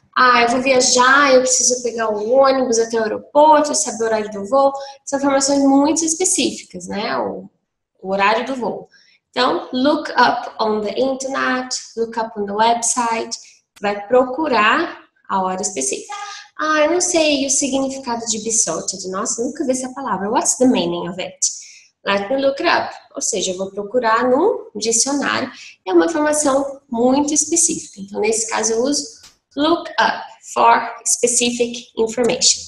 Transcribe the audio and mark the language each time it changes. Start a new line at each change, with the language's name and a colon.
Portuguese: Ah, eu vou viajar, eu preciso pegar o ônibus até o aeroporto, saber o horário do voo. São informações muito específicas, né? O horário do voo. Então,
English: look up on the internet, look up on the website.
Portuguese: Vai procurar a hora específica. Ah, eu não sei o significado de besotted. Nossa, nunca vi essa palavra.
English: What's the meaning of it? Let me look it up.
Portuguese: Ou seja, eu vou procurar no dicionário. É uma informação muito específica. Então, nesse caso, eu uso
English: look up for specific information.